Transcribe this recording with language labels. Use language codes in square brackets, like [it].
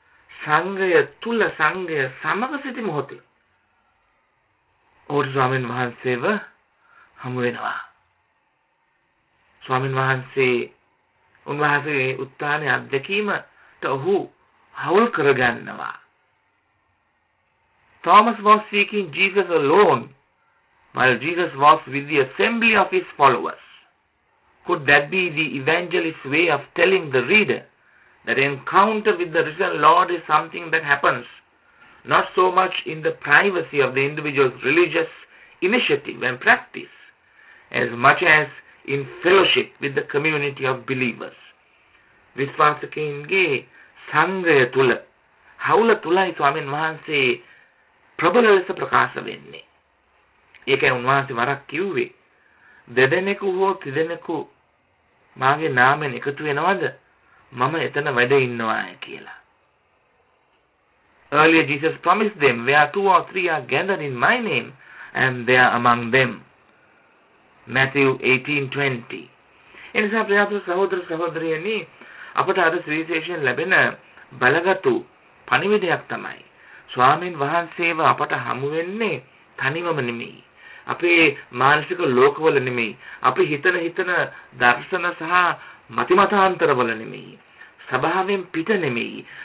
[si] සංඝය තුල සංඝය සමග සිටි මොහොතේ ඔට ස්වාමීන් වහන්සේව හමු වෙනවා. ස්වාමීන් වහන්සේ උන්වහන්සේගේ උත්ථානයේ අත්දැකීමට ඔහු හවුල් කරගන්නවා. [en] Thomas was seeking Jesus alone, while Jesus was with the assembly of his followers. Could that be the evangelist's way of telling the reader that encounter with the risen Lord is something that happens not so much in the privacy of the individual's religious initiative and practice, as much as in fellowship with the community of believers? [si] Viswasakinge sangaya tula, haula tulai swamin mahanse ප්‍රබල ලෙස ප්‍රකාශ වෙන්නේ. ඒ කියන්නේ උන්වහන්සේ වරක් කිව්වේ දෙදෙනෙකු හෝ තිදෙනෙකු මාගේ නාමයෙන් එකතු වෙනවද මම එතන වැඩ ඉන්නවා කියලා. [en] Earlier Jesus promised them, where two or three are gathered in my name, and they are among them. Matthew 18:20. [si] එනිසා ප්‍රියතුරු සහෝදර සහෝදරියනි, අපට අද සුවිශේෂයෙන් ලැබෙන බලගතු පණිවිඩයක් තමයි ස්වාමීන් වහන්සේව අපට හමු වෙන්නේ තනිවම නෙමෙයි, අපේ මානසික ලෝකවල නෙමෙයි, අපි හිතන හිතන දර්ශන සහ මතිමතාන්තරවල නෙමෙයි, සභාවෙන් පිට නෙමෙයි.